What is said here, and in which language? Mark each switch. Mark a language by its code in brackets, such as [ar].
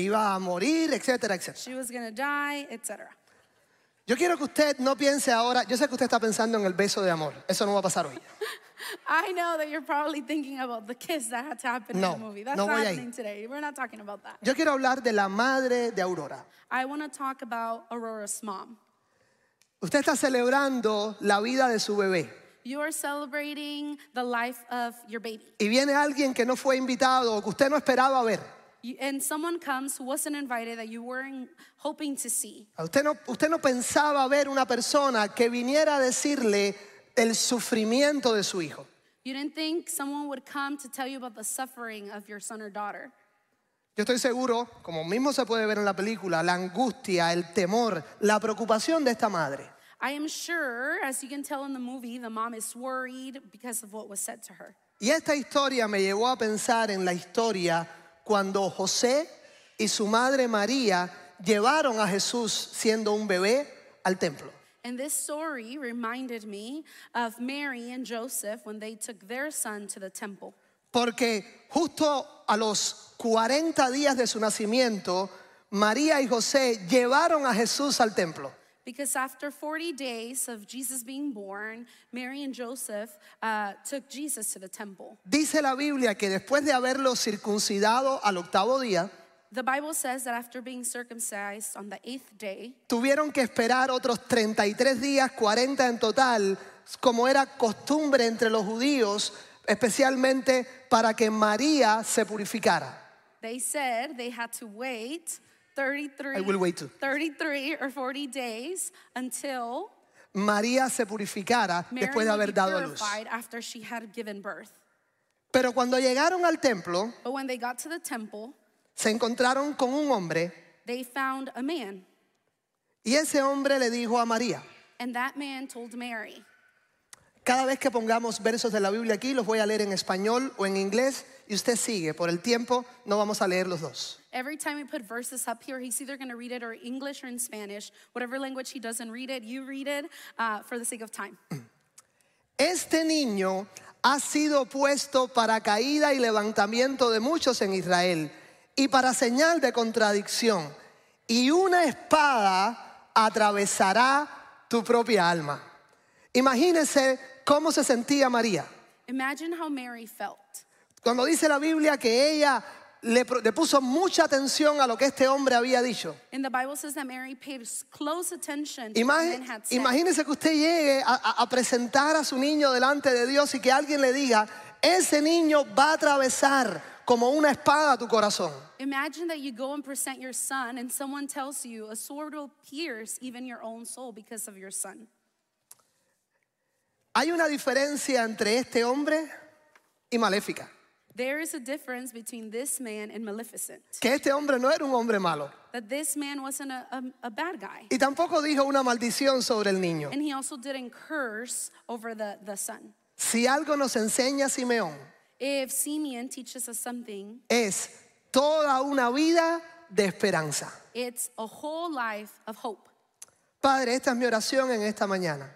[es] Iba a morir, etcétera, etcétera. [en] She was going to die, etc. [es] Yo quiero que usted no piense ahora, yo sé que usted está pensando en el beso de amor. Eso no va a pasar hoy. [en] I know that you're probably thinking about the kiss that had to happen [es] no, [en] in the movie. That's [es] no [en] not [es] voy [en] happening [es] ahí. [en] Today. We're not talking about that. [es] Yo quiero hablar de la madre de Aurora. [en] I want to talk about Aurora's mom. [es] Usted está celebrando la vida de su bebé. [en] You are celebrating the life of your baby. [es] Y viene alguien que no fue invitado o que usted no esperaba ver. [en] And someone comes who wasn't invited that you weren't hoping to see. [es] Usted no pensaba ver una persona que viniera a decirle el sufrimiento de su hijo. [en] You didn't think someone would come to tell you about the suffering of your son or daughter. [es] Yo estoy seguro, como mismo se puede ver en la película, la angustia, el temor, la preocupación de esta madre. [en] I am sure, as you can tell in the movie, the mom is worried because of what was said to her. [es] Y esta historia me llevó a pensar en la historia cuando José y su madre María llevaron a Jesús siendo un bebé al templo. [en] And this story reminded me of Mary and Joseph when they took their son to the temple. [es] Porque justo a los 40 días de su nacimiento, María y José llevaron a Jesús al templo. [en] Because after 40 days of Jesus being born, Mary and Joseph took Jesus to the temple. [es] Dice la Biblia que después de haberlo circuncidado al octavo día, [en] the Bible says that after being circumcised on the eighth day, [es] tuvieron que esperar otros 33 días, 40 en total, como era costumbre entre los judíos, especialmente para que María se purificara. [en] They said they had to wait 33 or 40 days until [es] María se purificara [en] Mary [es] después de haber dado a luz. [en] After she had given birth. [es] Pero cuando llegaron al templo, [en] but when they got to the temple, [es] se encontraron con un hombre. [en] They found a man. [es] Y ese hombre le dijo a María. [en] And that man told Mary. [es] Cada vez que pongamos versos de la Biblia aquí, los voy a leer en español o en inglés, y usted sigue. Por el tiempo, no vamos a leer los dos. [en] Every time we put verses up here, he's either going to read it or English or in Spanish. Whatever language he doesn't read it, you read it for the sake of time. [es] Este niño ha sido puesto para caída y levantamiento de muchos en Israel, y para señal de contradicción, y una espada atravesará tu propia alma. Imagínense cómo se sentía María. [en] Imagine how Mary felt. [es] Cuando dice la Biblia que ella le puso mucha atención a lo que este hombre había dicho. [en] And the Bible says that Mary paid close attention to what had said. [es] Imagínese que usted llegue a presentar a su niño delante de Dios y que alguien le diga, ese niño va a atravesar como una espada tu corazón. [en] Imagine that you go and present your son and someone tells you a sword will pierce even your own soul because of your son. [es] Hay una diferencia entre este hombre y Maléfica. [en] There is a difference between this man and Maleficent. [es] Que este hombre no era un hombre malo. [en] That this man wasn't a bad guy. [es] Y tampoco dijo una maldición sobre el niño. [en] And he also didn't curse over the son. [es] Si algo nos enseña Simeón, [en] if Simeon teaches us something, [es] es toda una vida de esperanza. [en] It's a whole life of hope. [es] Padre, esta es mi oración en esta mañana.